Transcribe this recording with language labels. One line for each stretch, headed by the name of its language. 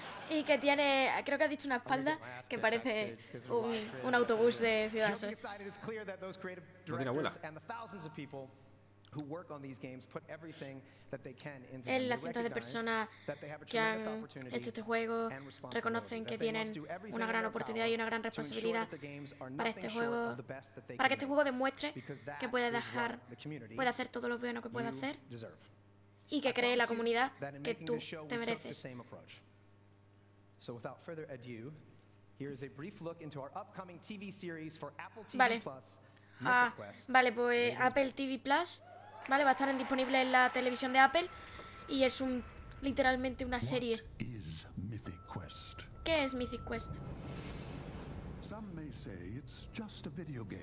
Spanish: Y que tiene, creo que ha dicho una espalda que parece un autobús de Ciudad Sol. Es de mi abuela.
English: And the thousands of people who work on these games put everything that they can into them.
Spanish: La cinta de persona que han hecho este juego reconocen que tienen una gran oportunidad y una gran responsabilidad para este juego, para que este juego demuestre que puede dejar, puede hacer todo lo bueno que puede hacer y que cree la comunidad que tú te mereces.
English: So without further ado, here is a brief look into our upcoming TV series for Apple TV Plus.
Spanish: Ah, vale, pues Apple TV Plus, vale, va a estar disponible en la televisión de Apple y es un literalmente una serie. ¿Qué es Mythic Quest?
English: Some may say it's just a video game.